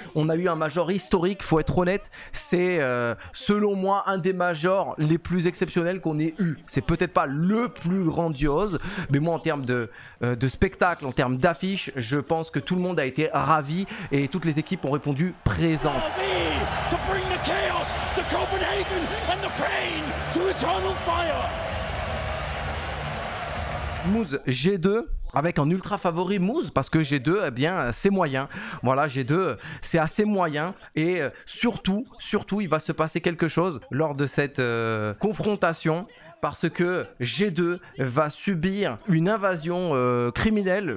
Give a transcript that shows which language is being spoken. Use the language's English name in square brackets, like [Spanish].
[French] On a eu un major historique, faut être honnête. C'est selon moi un des majors les plus exceptionnels qu'on ait eu. C'est peut-être pas le plus grandiose, mais moi en termes de spectacle, en termes d'affiche, je pense que tout le monde a été ravi et toutes les équipes ont répondu présentes. [English] The chaos to Copenhagen and the pain to eternal fire. [French] Mousse G2 avec un ultra favori Mousse parce que G2, eh bien, c'est moyen. Voilà, G2, c'est assez moyen. Et surtout, surtout, il va se passer quelque chose lors de cette confrontation. Parce que G2 va subir une invasion criminelle.